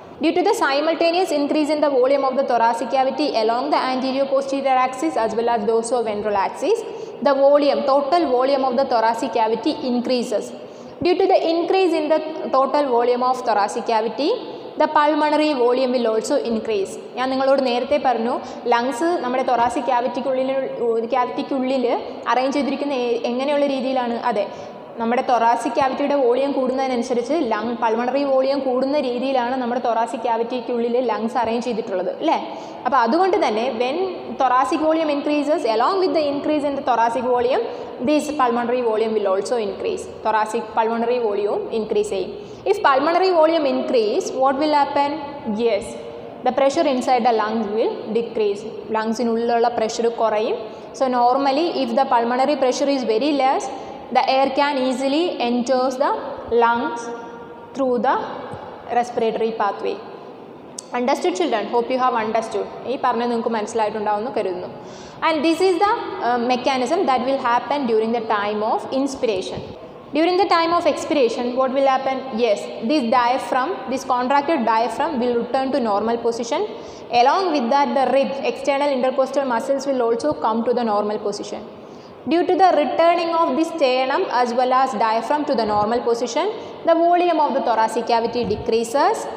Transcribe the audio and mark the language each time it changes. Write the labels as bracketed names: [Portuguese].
[English] Due to the simultaneous increase in the volume of the thoracic cavity along the anterior posterior axis as well as dorsoventral axis, the volume, total volume of the thoracic cavity increases. Due to the increase in the total volume of thoracic cavity, the pulmonary volume will also increase. [Malayalam] ഞാൻ നിങ്ങളോട് നേരത്തെ പറഞ്ഞു, lungs നമ്മുടെ thoracic ക്യാവിറ്റിക്കുള്ളിൽ arrange ചെയ്തിരിക്കുന്ന എങ്ങനെയുള്ള രീതിയിലാണ്? അതെ, നമ്മുടെ തൊറാസിക് ക്യാവിറ്റിയുടെ വോളിയം കൂടുന്നതിനനുസരിച്ച് ലങ് പൾമണറി വോളിയം കൂടുന്ന രീതിയിലാണ് നമ്മുടെ തൊറാസിക് ക്യാവിറ്റിക്കുള്ളിൽ ലങ്സ് അറേഞ്ച് ചെയ്തിട്ടുള്ളത് അല്ലേ. അപ്പോൾ അതുകൊണ്ട് തന്നെ [English] When thoracic volume increases along with the increase in the thoracic volume, these pulmonary volume will also increase. [Malayalam] Thoracic pulmonary വോളിയവും increase ചെയ്യും. [English] If pulmonary volume increase, what will happen? Yes, the pressure inside the lungs will decrease. [Malayalam] ലങ്സിനുള്ളിലുള്ള pressure കുറയും. [English] So normally if the pulmonary pressure is very less, the air can easily enters the lungs through the respiratory pathway. Understood children? Hope you have understood. [Malayalam] ഈ പറഞ്ഞത് നിങ്ങൾക്ക് മനസ്സിലായിട്ടുണ്ടാവും എന്ന് കരുതുന്നു. [English] And this is the mechanism that will happen during the time of inspiration. During the time of expiration, what will happen? Yes, this diaphragm, this contracted diaphragm will return to normal position. Along with that, the rib, external intercostal muscles will also come to the normal position. Due to the returning of this sternum as well as diaphragm to the normal position, the volume of the thoracic cavity decreases.